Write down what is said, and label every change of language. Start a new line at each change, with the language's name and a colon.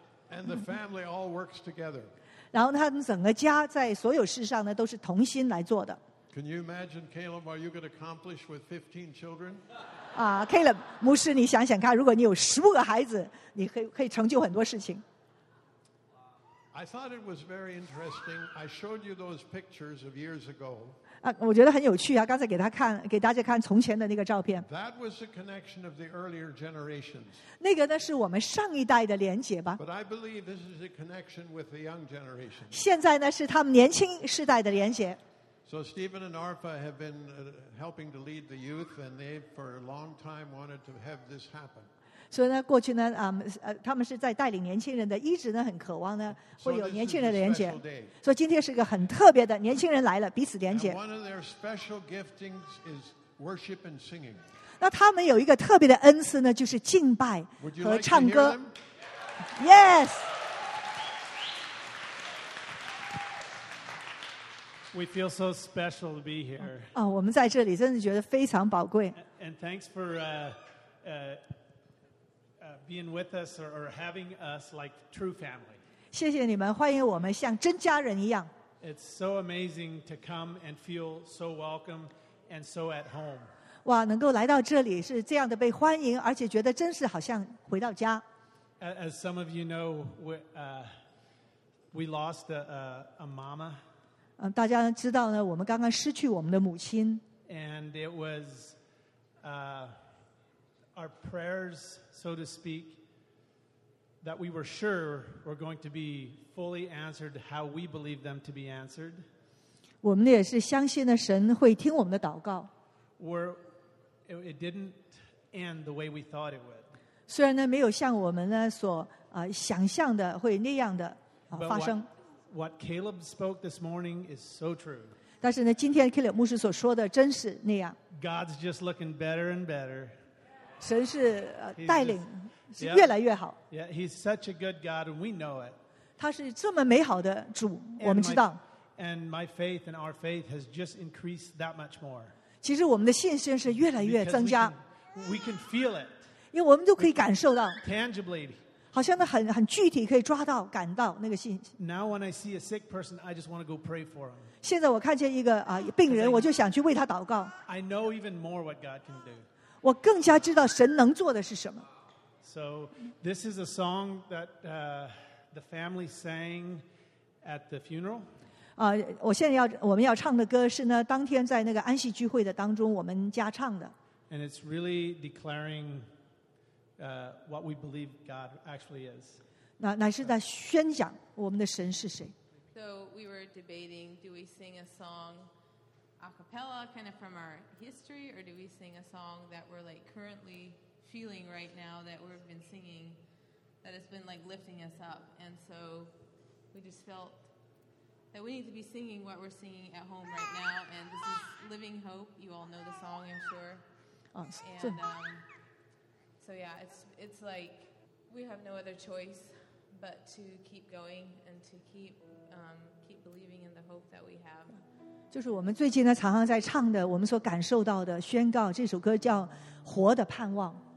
English: And the family all works together.
Chinese: 然后他们整个家在所有事上呢都是同心来做的。
English: Can you imagine, Caleb, what you could accomplish with 15 children?
Chinese: Caleb, 牧师，你想想看，如果你有十五个孩子，你可以成就很多事情。
English: I thought it was very interesting. I showed you those pictures of years ago.
Chinese: 我觉得很有趣啊！刚才给大家看从前的那个照片。
English: That was the connection of the earlier generations.
Chinese: 那个呢是我们上一代的连结吧。
English: But I believe this is a connection with the young generation.
Chinese: 现在呢是他们年轻世代的连结。
English: So Stephen and Arfa have been helping to lead the youth, and they for a long time wanted to have this happen.
Chinese: So, 呢过去呢，他们是在带领年轻人的，一直呢很渴望呢会有年轻人的连结。所以今天是个很特别的，年轻人来了，彼此连结。
English: And one of their special giftings is worship and singing.
Chinese: 那他们有一个特别的恩赐呢，就是敬拜和唱歌。
English: Would you like to hear them? Yes. We feel so special to be here.
Chinese: 我们在这里真的觉得非常宝贵。
English: And thanks for being with us or having us like true family.
Chinese: 谢谢你们，欢迎我们像真家人一样。
English: It's so amazing to come and feel so welcome and so at home.
Chinese: 哇，能够来到这里是这样的被欢迎，而且觉得真是好像回到家。
English: As some of you know, we lost a mama.
Chinese: 大家知道呢，我们刚刚失去我们的母亲。
English: And it was our prayers, so to speak, that we were sure were going to be fully answered how we believe them to be answered.
Chinese: 我们也是相信呢，神会听我们的祷告。
English: It didn't end the way we thought it would.
Chinese: 虽然呢，没有像我们呢所想象的会那样的发生。
English: What Caleb spoke this morning is so true.
Chinese: 但是呢，今天 Killer 牧师所说的真是那样。
English: God's just looking better and better.
Chinese: 神是带领是越来越好。
English: Yeah, He's such a good God, and we know it.
Chinese: 他是这么美好的主，我们知道。
English: And my faith and our faith has just increased that much more.
Chinese: 其实我们的信心是越来越增加。
English: We can feel it.
Chinese: 因为我们都可以感受到。
English: Tangibly.
Chinese: 好像很具体可以抓到感到那个信息。
English: Now when I see a sick person, I just want to go pray for him.
Chinese: 现在我看见一个病人，我就想去为他祷告。
English: I know even more what God can do.
Chinese: 我更加知道神能做的是什么。
English: So this is a song that the family sang at the funeral.
Chinese: 我现在我们要唱的歌是呢，当天在那个安息聚会的当中我们家唱的。
English: And it's really declaring. What we believe God actually is.
Chinese: 乃是在宣讲我们的神是谁。
English: So we were debating, do we sing a song a cappella, kind of from our history, or do we sing a song that we're like currently feeling right now that we've been singing, that has been like lifting us up? And so we just felt that we need to be singing what we're singing at home right now. And this is Living Hope. You all know the song, I'm sure. So yeah, it's like we have no other choice but to keep going and to keep believing in the hope that we have.
Chinese: 就是我们最近呢常常在唱的，我们所感受到的宣告，这首歌叫《活的盼望》。